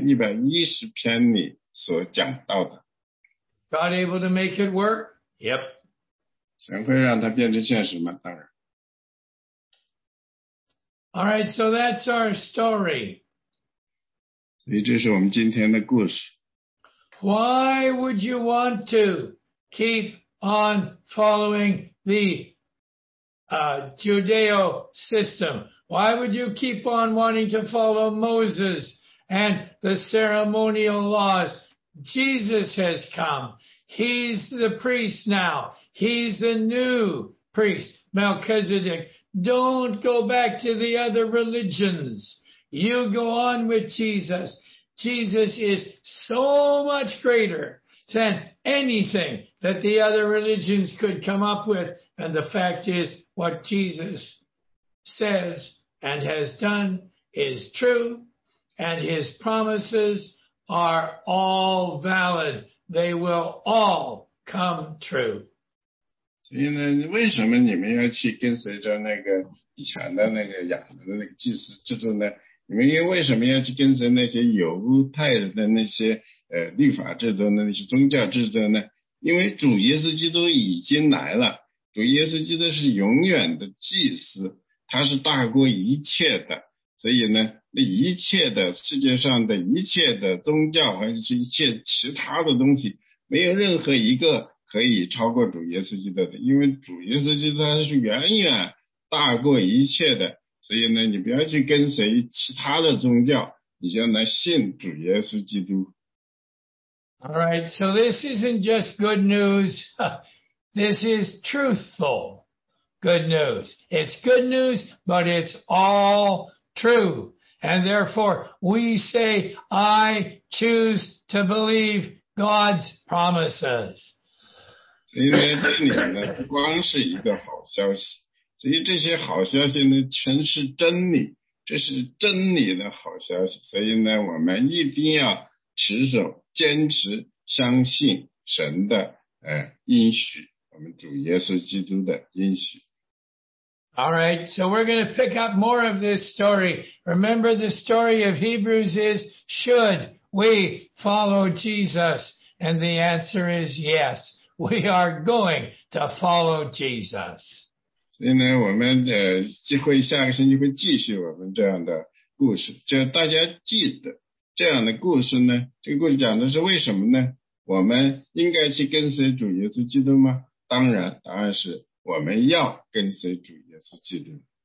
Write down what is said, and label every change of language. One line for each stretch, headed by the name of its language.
Chinese: 所以这里呢，不仅仅因为这个是真的，这是而且呢，因为是神在1000多年之前，主耶稣基督出生1000多年之前，诗篇110篇里所讲到的。
English: God able to make it work? Yep.
Chinese: 神会让它变成现实吗?当然。
English: All right, so that's our story.
Chinese: 所以这是我们今天的故事。
English: Why would you want to keep on following the Judeo system? Why would you keep on wanting to follow Moses and the ceremonial laws? Jesus has come. He's the priest now. He's the new priest, Melchizedek. Don't go back to the other religions. You go on with Jesus. Jesus is so much greater than anything that the other religions could come up with. And the fact is, what Jesus says and has done is true, and his promises are all valid. They will all come true.
Chinese: 所以呢，为什么你们要去跟随着那个以前的那个亚伦的那个祭司制度呢？你们又为什么要去跟随那些犹太人的那些律法制度呢？那些宗教制度呢？因为主耶稣基督已经来了，主耶稣基督是永远的祭司，他是大过一切的。所以呢，那一切的世界上的一切的宗教还是一切其他的东西，没有任何一个可以超过主耶稣基督的，因为主耶稣基督他是远远大过一切的。所以呢，你不要去跟随其他的宗教，你就来信主耶稣基督。
English: All right, so this isn't just good news. This is truthful good news. It's good news, but it's all true. And therefore, we say, I choose to believe God's promises.
Chinese: 所以呢，这里呢，不光是一个好消息，所以这些好消息呢，全是真理，这是真理的好消息。所以呢，我们一定要持守。坚持相信神的应许，我们主耶稣基督的应许。
English: All right, so we're going to pick up more of this story. Remember, the story of Hebrews is, should we follow Jesus? And the answer is yes, we are going to follow Jesus.
Chinese: 所以呢，我们会下个星期会继续我们这样的故事，就大家记得。这样的故事呢，这个故事讲的是为什么呢？我们应该去跟随主耶稣基督吗？当然，答案是我们要跟随主耶稣基督。